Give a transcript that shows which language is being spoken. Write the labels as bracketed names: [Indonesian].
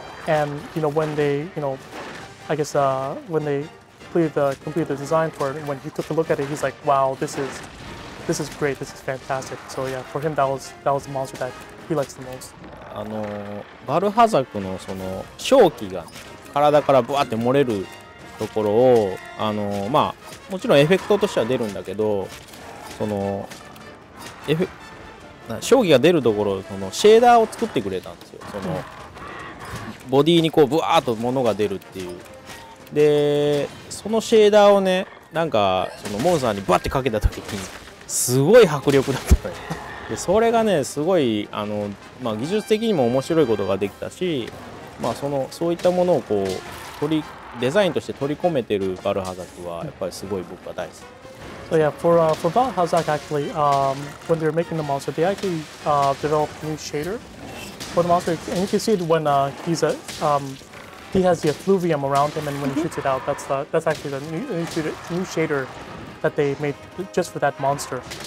[English] And, you know, when they, you know, I guess, when they completed the design for it, and when he took a look at it, he's like, wow, this is great, this is fantastic. So yeah, for him, that was the monster that he likes the most. [Japanese] バルハザクのその瘴気が体からブワーって漏れるところを、まあ、もちろんエフェクトとしては出るんだけど、その、将棋が出るところそのシェーダーを作ってくれたんですよ。そのボディにこうブワーッと物が出るっていう。でそのシェーダーをねなんかそのモンスターにバッてかけた時にすごい迫力だったのよ。でそれがねすごいまあ、技術的にも面白いことができたし、まあ、そういったものをこう取りデザインとして取り込めてるバルハザクはやっぱりすごい僕は大好き。 [English] So yeah, for Valhazak actually, when they're making the monster, they actually developed a new shader for the monster. And you can see it when he has the effluvium around him and when he shoots it out, that's actually the new shader that they made just for that monster.